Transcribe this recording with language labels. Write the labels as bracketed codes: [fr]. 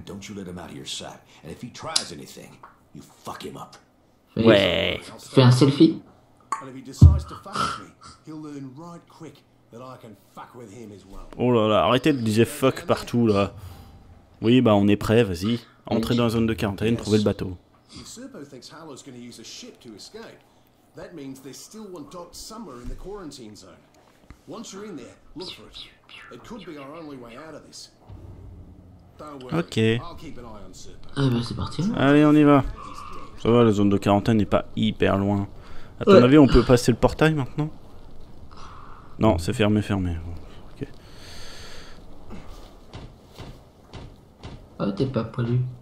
[en] Don't you let him out of your sight. And if he tries anything, you fuck him up. [fr] Ouais. Fais un selfie. [en] And if he decides to fuck with me, he'll learn right quick that I can fuck with him as well. [fr] Oh là là, arrêtez de dire fuck partout là. Oui, bah on est prêt, vas-y. Entrez dans la zone de quarantaine, trouvez le bateau. [en] Serpo thinks Harlow's gonna use a ship to escape. That means there's still one docked somewhere in the quarantine zone. Once you're in there, look for it. It could be our only way out of this. [fr] Ok. Ah bah c'est parti. Allez, on y va. Ça va, la zone de quarantaine n'est pas hyper loin. A ton avis, on peut passer le portail maintenant? Non, c'est fermé. Ok. Oh, t'es pas poilu.